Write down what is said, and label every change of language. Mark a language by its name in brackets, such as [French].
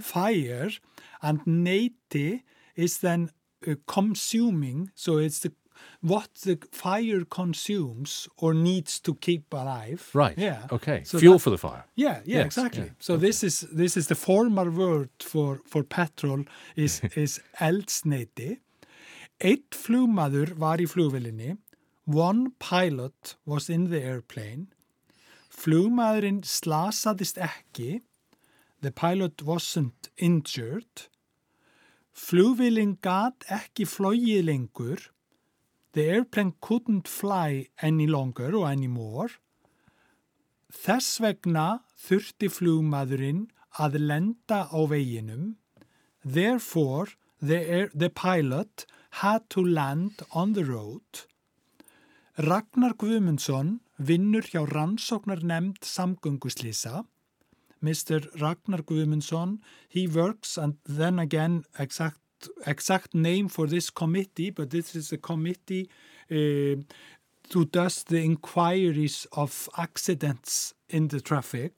[English] Fire. And neiti is then consuming. So it's the what the fire consumes or needs to keep alive. Right. Yeah. Okay. So fuel for the fire. Yeah. Yeah. Yes. Exactly. Yeah. So okay. this is the former word for petrol is eldsneiti. [Icelandic] Eitt flugmaður var í flugvélinni. [English] One pilot was in the airplane. [Icelandic] Flugmaðurinn slasaðist ekki. [English] The pilot wasn't injured. [Icelandic] Flugvélin gat ekki flogið lengur. [English] The airplane couldn't fly any longer or any more. [Icelandic] Þess vegna þurfti flugmaðurinn að lenda á veginum. [English] Therefore, the pilot had to land on the road. [Icelandic] Ragnar Guðmundsson vinnur hjá rannsóknar nefnd samgönguslýsa. Mr. [English] Ragnar Guðmundsson, he works, and then again, exact name for this committee, but this is a committee who does the inquiries of accidents in the traffic.